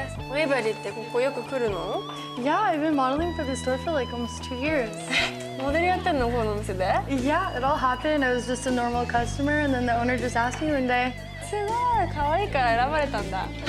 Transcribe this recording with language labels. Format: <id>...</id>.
<ja>ウェブリーってここよく来るの？</ja> <en>Yeah, I've been modeling for this store for like almost 2 years.</en> <ja>モデルやってんの？このお店で？</ja> <en>Yeah, it all happened. I was just a normal customer and then the owner just asked me one day.</en> <ja>すごい可愛いから選ばれたんだ。</ja>